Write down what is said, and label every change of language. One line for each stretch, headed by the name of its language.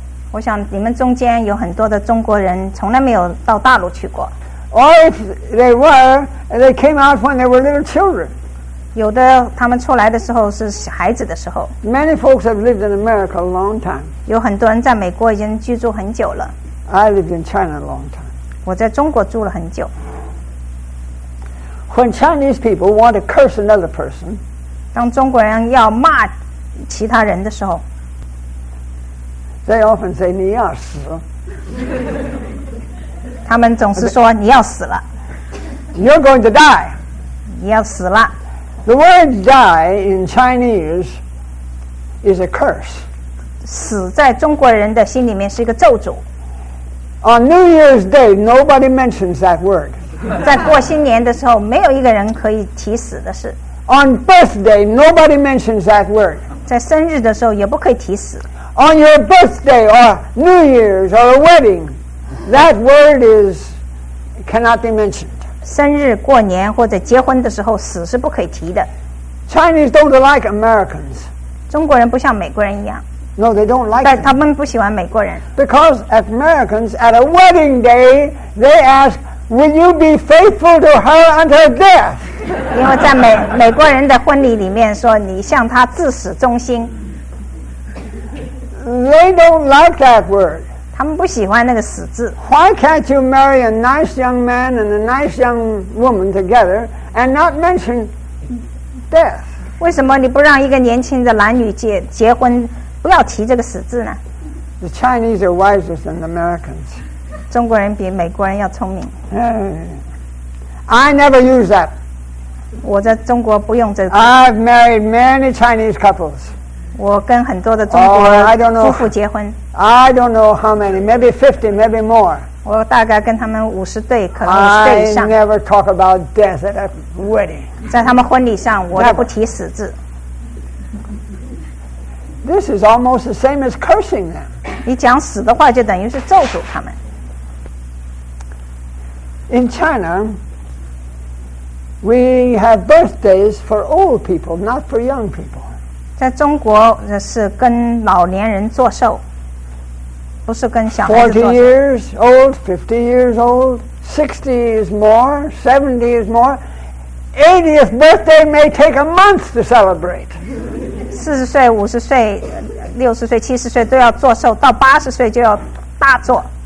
Chinese: 我想你们中间有很多的中国人从来没有到大陆去过
English: Or if they were, they came out when they were little children.
Chinese: 有的他们出来的时候是孩子的时候。
English: Many folks have lived in America a long time.
Chinese: 有很多人在美国已经居住很久了。
English: I lived in China a long time.
Chinese: 我在中国住了很久。
English: When Chinese people want to curse another person,
Chinese: 当中国人要骂其他人的时候
English: they often say,
Chinese: 你要死。他们总是说你要死了
English: You're going to die
Chinese: 你要死了
English: The word die in Chinese is a curse
Chinese: 死在中国人的心里面是一个咒诅
English: On New Year's Day, nobody mentions that word.
Chinese: 在过新年的时候，没有一个人可以提死的事。
English: On birthday, nobody mentions that word.
Chinese: 在生日的时候也不可以提死。
English: On your birthday or New Year's or a wedding, that word is cannot be mentioned.
Chinese: 生日、过年或者结婚的时候，死是不可以提的。
English: Chinese don't like Americans.
Chinese: 中国人不像美国人一样。
English: No, they don't like.
Chinese: 他们不喜欢美国人。
English: Because Americans at a wedding day, they ask, "Will you be faithful to her until death?"
Chinese: 因为在美国人的婚礼里面说你向他至死忠心。
English: They don't like that word.
Chinese: 他们不喜欢那个死字。
English: Why can't you marry a nice young man and a nice young woman together and not mention death?
Chinese: 为什么你不让一个年轻的男女结婚？不要提这个死字呢。
English: The Chinese are wiser than the Americans.
Chinese: 中国人比美国人要聪明。
English: I never use that.
Chinese: 我在中国不用这个。
English: I've married many Chinese couples.
Chinese: 我跟很多的中国夫妇结婚。
English: I don't know how many, maybe 50, maybe more.
Chinese: 我大概跟他们50对，可能50对以上。
English: I never talk about death at a wedding.
Chinese: 在他们婚礼上，我都不提死字。
English: This is almost the same as cursing them.
Chinese: 你讲死的话就等于是咒诅他们。
English: In China, we have birthdays for old people, not for young people.
Chinese: 在中国是跟老年人做寿，不是跟小孩子做寿。
English: 40 years old, 50 years old, 60 is more, 70 is more. 80th birthday may take a month to celebrate.
Chinese: 40岁、50岁、60岁、70岁都要做寿，到80岁就要大做。